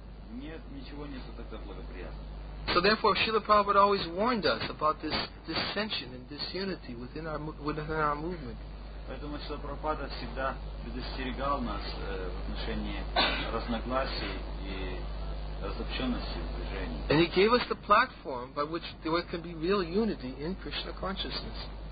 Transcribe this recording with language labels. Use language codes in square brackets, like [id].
[ru] Нет, ничего нету тогда благоприятного. [en] So therefore, Srila Prabhupada always warned us about this dissension and disunity within our movement. [ru] Поэтому Шрила Прабхупада всегда предостерегал нас в отношении разногласий и разобщенности в движении. [en] And he gave us the platform by which there can be real unity in Krishna consciousness.